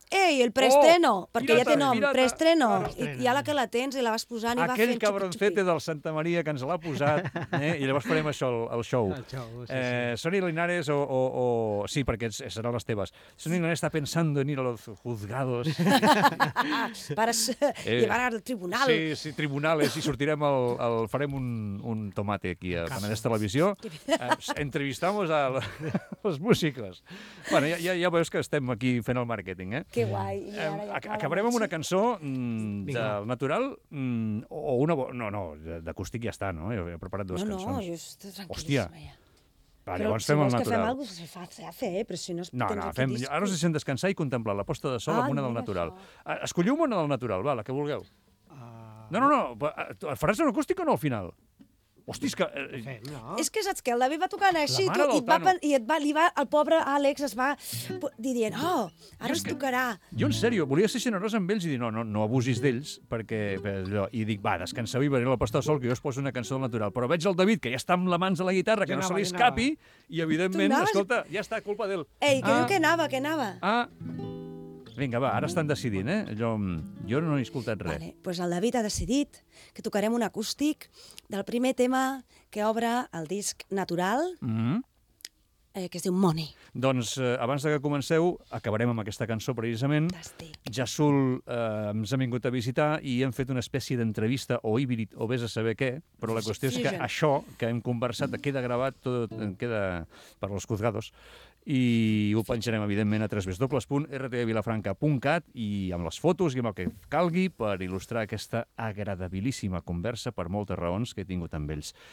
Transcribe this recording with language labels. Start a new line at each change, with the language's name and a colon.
Catalan: Ei, el preestreno, oh, perquè ja té nom, preestreno. I ara que la tens i la vas posant aquell i va fent xupi-xupi. Aquell cabroncete del Santa Maria que ens l'ha posat, i llavors farem això, el show. Sí. Sonia Linares o... Sí, perquè seran les teves.
Spanish: Sonia Linares
Catalan: està pensant
Spanish: en ir a los juzgados. Para llevar al tribunal.
Catalan: Sí, sí, tribunales, i sortirem el farem un tomate aquí a Penedès Televisió.
Spanish: Entrevistamos a los músicos.
Catalan: Bueno, ja veus que estem aquí fent el màrqueting, eh? Que guai. I ara acabarem amb una cançó del natural o una... No, d'acústic ja està, no? Jo he preparat dues cançons. No, jo estic tranquil·líssima. Hòstia. Va, llavors si fem el natural. Que fem alguna cosa, s'ha de fer, però si no... No, fem... Ara us deixem descansar i contemplar la posta de sol amb una del natural. Això. Escolliu una del natural, va, la que vulgueu. No. Faràs un acústic o no al final? Hòstia, que... És que saps què? El David va tocant així i, el pobre Àlex es va dient, oh, ara es tocarà. Jo, en sèrio, volia ser generós amb ells i dir, no abusis d'ells, perquè... I dic, va, descanseu i veniu la posta de sol, que jo es poso una cançó del natural. Però veig el David, que ja està amb les mans a la guitarra, que no se li escapi, i evidentment, escolta, ja està, culpa d'ell. Ei, que diu que anava, que anava. Ah, vinga, va, ara estan decidint, eh? Jo no he escoltat res. Vale, pues el David ha decidit que tocarem un acústic del primer tema que obre el disc natural, que es diu Money. Doncs abans que comenceu, acabarem amb aquesta cançó precisament. Jassul ens ha vingut a visitar i hem fet una espècie d'entrevista o híbrid o vés a saber què, però la qüestió és que això que hem conversat queda gravat, tot queda per als juzgados. I ho penjarem, evidentment, a www.rtvilafranca.cat i amb les fotos i amb el que calgui per il·lustrar aquesta agradabilíssima conversa per moltes raons que he tingut amb ells.